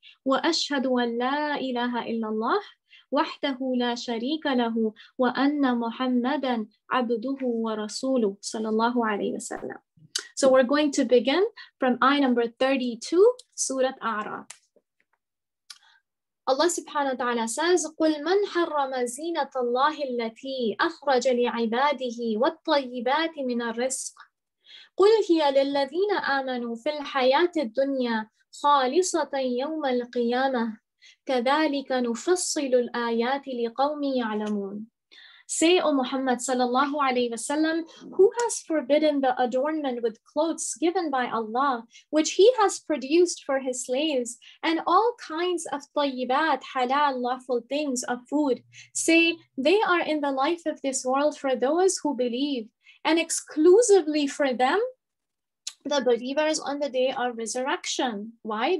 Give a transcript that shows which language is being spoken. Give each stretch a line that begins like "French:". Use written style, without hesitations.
Arabic: وأشهد أن لا إله إلا الله وحده لا شريك له وأن محمدا عبده ورسوله صلى الله عليه وسلم.
English: So we're going to begin from ayah number 32, Surah Araaf.
Arabic: Allah subhanahu wa ta'ala
English: says,
Arabic: قُلْ مَنْ حَرَّمَ زِينَةَ اللَّهِ الَّتِي أَخْرَجَ لِعِبَادِهِ وَالطَّيِّبَاتِ مِنَ الرِّزْقِ قُلْ هِيَ لِلَّذِينَ آمَنُوا فِي الْحَيَاةِ الدُّنْيَا خالصة يوم القيامة كذلك نفصل الآيات لقوم يعلمون.
English: Say, O Muhammad sallallahu alayhi wa sallam, who has forbidden the adornment with clothes given by Allah, which He has produced for His slaves, and all kinds of tayyibat, halal, lawful things of food? Say, they are in the life of this world for those who believe, and exclusively for them, the believers on the day of resurrection. Why?